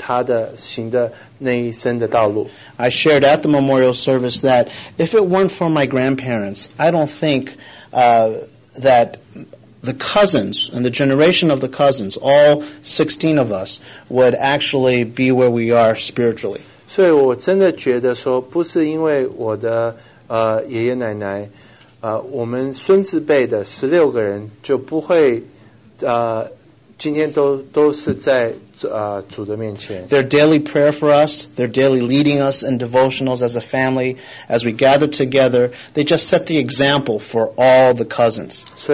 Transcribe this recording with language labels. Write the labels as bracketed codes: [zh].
[zh] 是就让我想起我的祖母在主面前的她的行的那一生的道路。 [en] I shared at the memorial service that if it weren't for my grandparents, I don't think that the cousins and the generation of the cousins, all 16 of us, would actually be where we are spiritually. [zh] 所以我真的觉得说，不是因为我的爷爷奶奶，我们孙子辈的16个人就不会今天都是在主的面前。 [en] Their daily prayer for us, their daily leading us in devotionals as a family, as we gather together, they just set the example for all the cousins.